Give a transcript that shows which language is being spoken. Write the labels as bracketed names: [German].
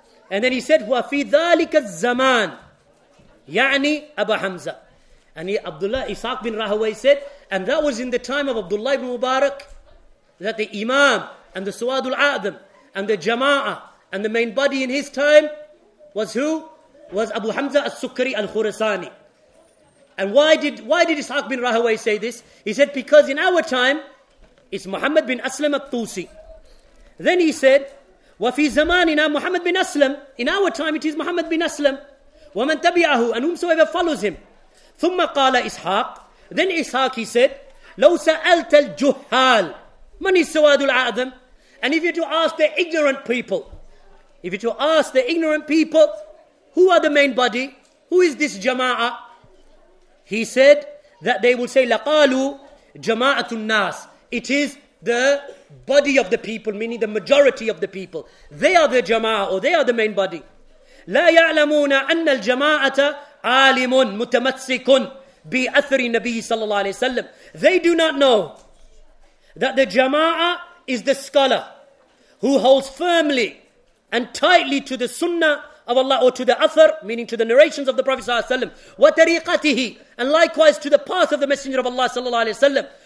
[English] And then he said, [Arabic] وفي ذلك الزمان يعني أبا حمزة. [English] And Abdullah Ishaq ibn Rahaway said, and that was in the time of Abdullah ibn Mubarak, that the Imam and the Suwadul A'adham and the Jama'ah and the main body in his time was who? Was Abu Hamza al-Sukkari al-Khurasani. And why did Ishaq ibn Rahaway say this? He said, because in our time, it's Muhammad bin Aslam At-Tusi. Then he said, [Arabic] وَفِي زَمَانِنَا [English] Muhammad bin Aslam. In our time it is Muhammad bin Aslam. [Arabic] وَمَنْ تَبِعَهُ [English] And whomsoever follows him. [Arabic] ثُمَّ قَالَ إِسْحَاقِ [English] Then إِسْحَاقِ he said, [Arabic] لَوْ سَأَلْتَ الْجُهَّالِ مَنْ السَّوَادُ الْعَذَمِ [English] And if you to ask the ignorant people, who are the main body? Who is this jama'ah? He said that they will say, [Arabic] لَقَالُوا جَمَاعَةُ النَّاسِ [English] It is the body of the people, meaning the majority of the people. They are the jama'ah, or they are the main body. [Arabic] لا يعلمون أن الجماعة عالم متمسك بأثر النبي صلى الله عليه وسلم. [English] They do not know that the jama'ah is the scholar who holds firmly and tightly to the sunnah of Allah, or to the athar, meaning to the narrations of the Prophet sallallahu alaihi wasallam, wa tariqatihi, and likewise to the path of the Messenger of Allah sallallahu alaihi wasallam.